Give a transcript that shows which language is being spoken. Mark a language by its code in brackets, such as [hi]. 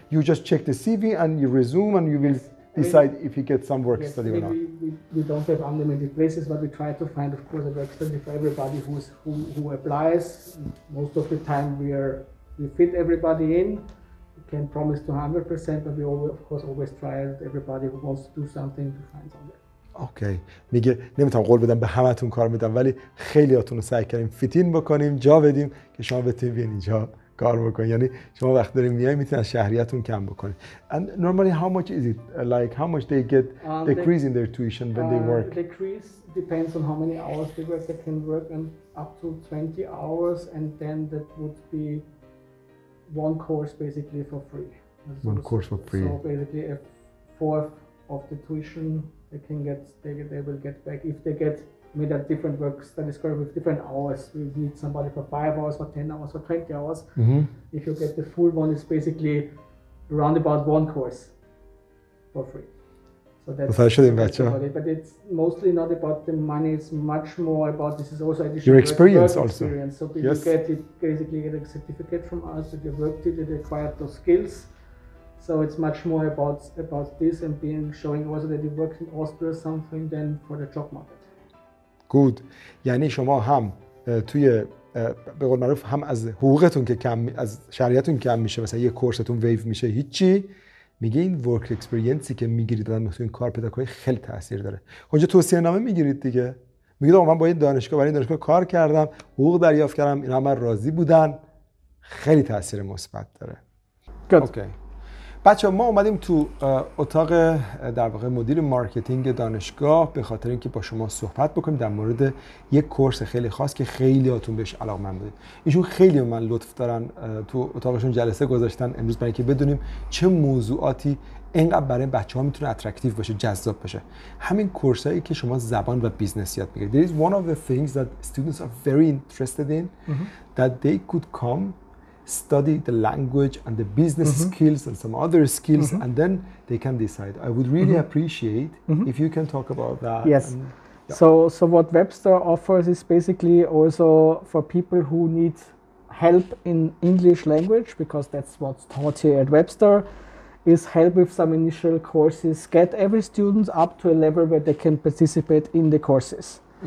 [en] You just check the CV and your resume and you will decide if you get some work study or not. We don't have unlimited places, but we try to find, of course, a work study for everybody who applies. Most of the time we fit everybody in. We can promise to 100%, but we always, of course, always try everybody who wants to do something to find somewhere. [fa] اوکی میگه نمیتونم قول بدم به همتون کار میدم ولی خیلی هاتون رو سعی کردیم فیتین بکنیم جا بدیم که شما بتونید بیاین اینجا کار بکنید یعنی شما وقت دارین میای میتونن شهریتون کم بکنید [en] and normally how much is it like how much they get decrease in their tuition [fa] when they work [en] decrease depends on how many hours they work they can work and up to 20 hours and then that would be one course basically for free one course for free so basically a fourth of the tuition they can get they will get back if they get made a different work study scope with different hours we need somebody for 5 hours for 10 hours for 20 hours if you get the full one it's basically around about one course for free so that's about it. But it's mostly not about the money it's much more about this is also additional your experience work also experience. So if you get it basically get a certificate from us that you worked it and acquired those skills So it's much more about this and being showing also that you worked in Austria or something than for the job market. Good. [fa] یعنی شما هم توی به قول معروف هم از حقوقتون که کم از شهریتون کم میشه مثلا یه کورستون ویو میشه هیچی میگه این ورک اکسپریانسی که میگیرید الان تو این کار پیدا کنید خیلی تاثیر داره. اونجا توصیه نامه میگیرید دیگه. میگید آقا من با این دانشگاه برای این دانشگاه کار کردم، حقوق دریافت کردم، اینا همه راضی بودن. خیلی تاثیر مثبت داره. [en] Good. Okay. [fa] بچه ما اومدیم تو اتاق در واقع مدیر مارکتینگ دانشگاه به خاطر اینکه با شما صحبت بکنیم در مورد یک کورس خیلی خاص که خیلی هاتون بهش علاقمند بودید. ایشون خیلی من لطف دارن تو اتاقشون جلسه گذاشتن امروز برای اینکه بدونیم چه موضوعاتی اینقدر برای بچه‌ها میتونه اترکتیو باشه، جذاب باشه. همین کورسایی که شما زبان و بیزنس یاد میگیرید. [en] There is one of the things that students are very interested in that they could come study the language and the business skills and some other skills and then they can decide. I would really appreciate if you can talk about that. Yes. And, so what Webster offers is basically also for people who need help in English language because that's what's taught here at Webster is help with some initial courses, get every student up to a level where they can participate in the courses.